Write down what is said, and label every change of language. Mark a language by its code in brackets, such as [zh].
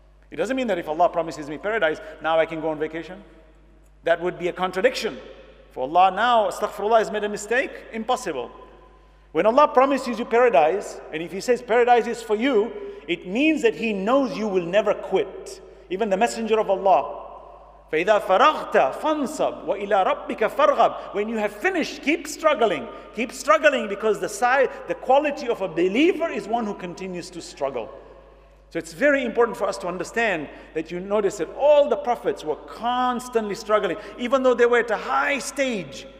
[en] It doesn't mean that if Allah promises me paradise, now I can go on vacation. That would be a contradiction. For Allah now, astaghfirullah, has made a mistake? Impossible. When Allah promises you paradise, and if He says paradise is for you, it means that He knows you will never quit. Even the Messenger of Allah, [ar] فَإِذَا فَرَغْتَ فَانْصَبْ وَإِلَىٰ رَبِّكَ فَارْغَبْ. [en] When you have finished, keep struggling. Keep struggling, because the quality of a believer is one who continues to struggle. So it's very important for us to understand that you notice that all the prophets were constantly struggling, even though they were at a high stage.